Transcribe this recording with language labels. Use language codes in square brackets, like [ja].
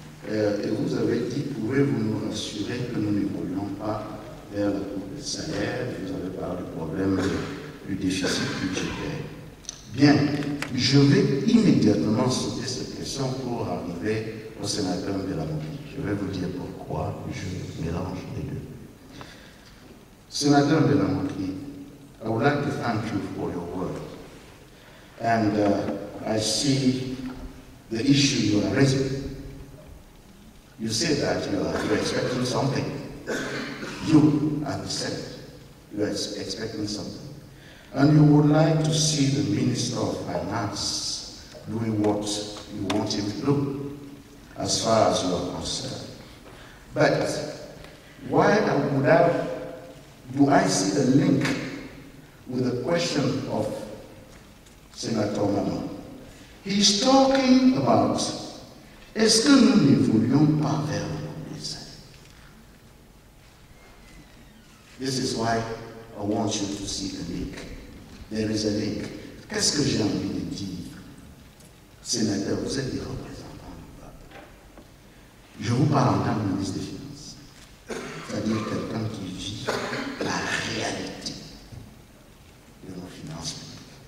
[fr] Et vous avez dit, pouvez-vous nous rassurer que nous n'évoluons pas vers la coupe de salaire? Vous avez parlé du problème du déficit budgétaire. Bien, je vais immédiatement sauter cette question pour arriver au sénateur Mbella. Je vais vous dire pourquoi je mélange les deux. [en] Senator Mbella, I would like to thank you for your work. And I see the issue you are raising. You say that you are expecting something. You are the Senate. You are expecting something. And you would like to see the Minister of Finance doing what you want him to do, as far as you are concerned. But why would I, do I see a link with the question of Senator Mamo? He's talking about, [fr] est-ce que nous n'évoluons pas vers le communisme? [en] This is why I want you to see the link. There is a link. [fr] Qu'est-ce que j'ai envie de dire, sénateur? Vous êtes des représentants du peuple. Je vous parle en tant que ministre des Finances, c'est-à-dire quelqu'un qui vit la réalité de nos finances publiques.